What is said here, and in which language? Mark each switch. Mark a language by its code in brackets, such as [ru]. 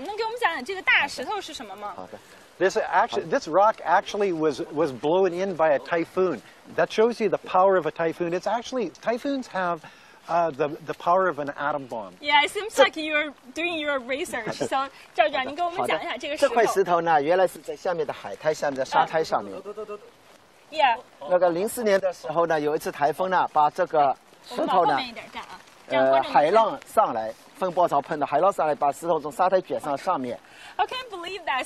[zh] 赵局长，我们往那边看，有一个这个大的石头啊。能给我们讲讲这个大石头是什么吗？ [en] This rock actually was blown in by a typhoon. That shows you the power of a typhoon. It's actually typhoons have. The power of an atom bomb. Yeah, it seems like you're doing your research. [zh] So, 赵总，您给我们讲一下这个石头。这块石头呢，原来是在下面的海滩上面的沙滩上面。那个04年的时候呢，有一次台风呢，把这个石头呢，海浪上来，风暴潮喷的海浪上来，把石头从沙滩卷上上面。 [en] I can't believe that.